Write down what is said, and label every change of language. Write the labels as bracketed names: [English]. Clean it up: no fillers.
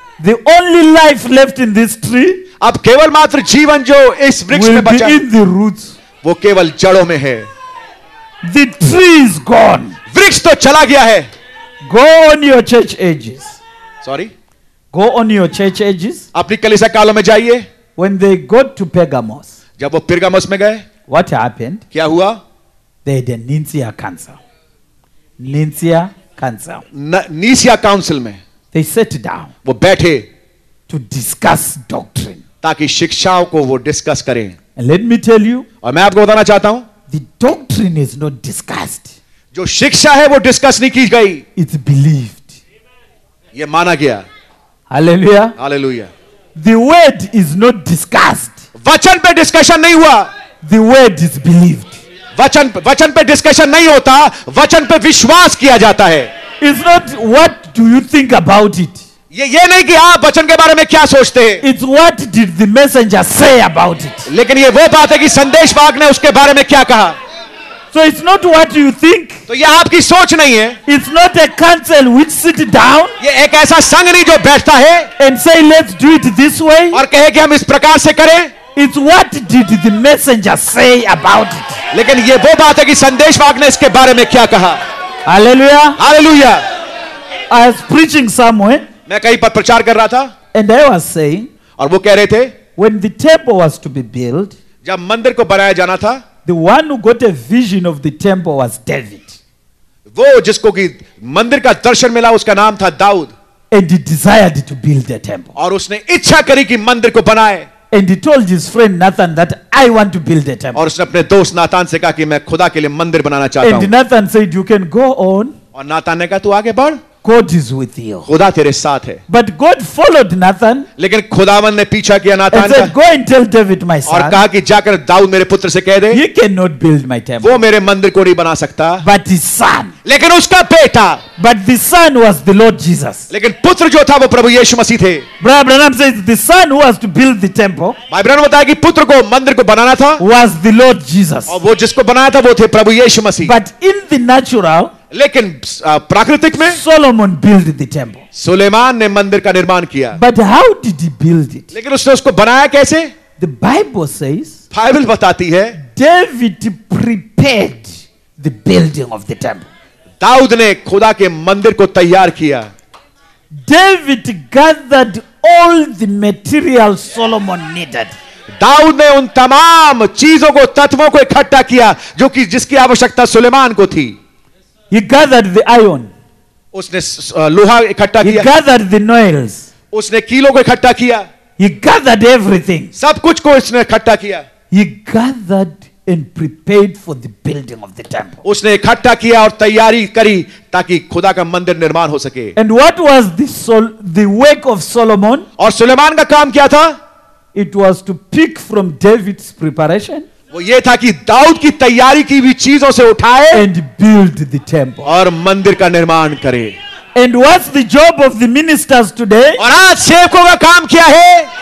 [English] The only life left in this tree. [Hindi] अब केवल मात्र जीवन जो इस वृक्ष में बचा. [English] In the roots. [Hindi] वो केवल जड़ों में है. [English] The tree is gone. [Hindi] वृक्ष तो चला गया है. [English] Go on your church ages. Sorry. Go on your church ages. [Hindi] अपनी कलीसिया कालों में जाइए. [English] When they got to Pergamos. [Hindi] जब वो पेर्गामोस में गए. [English] What happened? [Hindi] क्या हुआ? [English] They had a Nicaea council. Nicaea council. [Hindi] Nicaea council में. [English] They sat down. [Hindi] वो बैठे. [English] To discuss doctrine. [Hindi] ताकि शिक्षाओं को वो discuss करें. [English] And let me tell you. [Hindi] और मैं आपको बताना चाहता हूँ. [English] The doctrine is not discussed. [Hindi] जो शिक्षा है वो discuss नहीं की गई. [English] It's believed. [Hindi] ये माना गया. [English] Hallelujah. [Hindi] Hallelujah. [English] The word is not discussed. [Hindi] वचन पे discussion नहीं हुआ. [English] The word is believed. [Hindi] वचन पे डिस्कशन नहीं होता. वचन पे विश्वास किया जाता है. [English] Is not what do you think about it. [Hindi] ये नहीं कि आप वचन के बारे में क्या सोचते हैं. [English] It's what did the messenger say about it. [Hindi] लेकिन ये वो बात है कि संदेशवाहक ने उसके बारे में क्या कहा. [English] So it's not what you think. [Hindi] तो ये आपकी सोच नहीं है. [English] It's not a council which sit down. [Hindi] ये एक ऐसा संघ नहीं जो बैठता है. [English] And say let's do it this way. [Hindi] और कहे कि हम इस प्रकार से करें. [English] It's what did the messenger say about it? [Hindi] लेकिन ये वो बात है कि संदेश वाहक ने इसके बारे में क्या कहा. [English] Hallelujah. [Hindi] Hallelujah. [English] I was preaching somewhere. [Hindi] मैं कहीं पर प्रचार कर रहा था. [English] And I was saying. [Hindi] और वो कह रहे थे. [English] When the temple was to be built. [Hindi] जब मंदिर को बनाया जाना था. [English] The one who got a vision of the temple was David. [Hindi] वो जिसको कि मंदिर का दर्शन मिला उसका नाम था Dawood. [English] And he desired to build the temple. [Hindi] और उसने इच्छा करी कि मंदिर को बनाए. [English] And he told his friend Nathan that I want to build a temple. [Hindi] और उसने अपने दोस्त नाथान से कहा कि मैं खुदा के लिए मंदिर बनाना चाहता [English] हूँ. And Nathan said, "You can go on." [Hindi] और नाथान ने कहा तू आगे बढ़. [English] God is with you. [Hindi] खुदा तेरे साथ है. [English] But God followed Nathan. [Hindi] लेकिन खुदावंद ने पीछा किया नाथान [English] का. And said, "Go and tell David, my son." [Hindi] और कहा कि जाकर दाऊद मेरे पुत्र से कह दे. [English] He cannot build my temple. [Hindi] वो मेरे मंदिर को नहीं बना सकता. [English] But his son. [Hindi] लेकिन उसका बेटा. [English] But the son was the Lord Jesus. [Hindi] लेकिन पुत्र जो था वो प्रभु यीशु मसीह थे. [English] Brother Branham says the son who was to build the temple. [Hindi] भाई ब्रैनम बताया कि पुत्र को मंदिर को बनाना था. [English] Was the Lord Jesus. [Hindi] और वो जिसको बनाया था वो थे प्रभु यीशु मसीह. [English] But in the natural. [Hindi] लेकिन प्राकृतिक में [English] Solomon built the temple. [Hindi] Suleman ने मंदिर का निर्माण किया. [English] But how did he build it? [Hindi] लेकिन उसने उसको बनाया कैसे? [English] The Bible says. [Hindi] बाइबल बताती है. [English] David prepared the building of the temple. [Hindi] Dawood ने खुदा के मंदिर को तैयार किया. [English] David gathered all the material Solomon needed. [Hindi] Dawood ने उन तमाम चीजों को तत्वों को इकट्ठा किया जो कि जिसकी आवश्यकता सुलेमान को थी. [English] He gathered the iron. [Hindi] उसने लोहा इकट्ठा किया. [English] He gathered the nails. [Hindi] उसने कीलों को इकट्ठा किया. [English] He gathered everything. [Hindi] सब कुछ को उसने इकट्ठा किया. [English] He gathered and prepared for the building of the temple. [Hindi] उसने इकट्ठा किया और तैयारी करी ताकि खुदा का मंदिर निर्माण हो सके. [English] And what was the work of Solomon? [Hindi] और सुलेमान का काम क्या था? [English] It was to pick from David's preparation. [Hindi] वो ये था कि दाऊद की तैयारी की भी चीजों से उठाए. [English] And build the temple. [Hindi] और मंदिर का निर्माण करे. [English] And what's the job of the ministers today? [Hindi] और आज सेवकों का काम क्या है?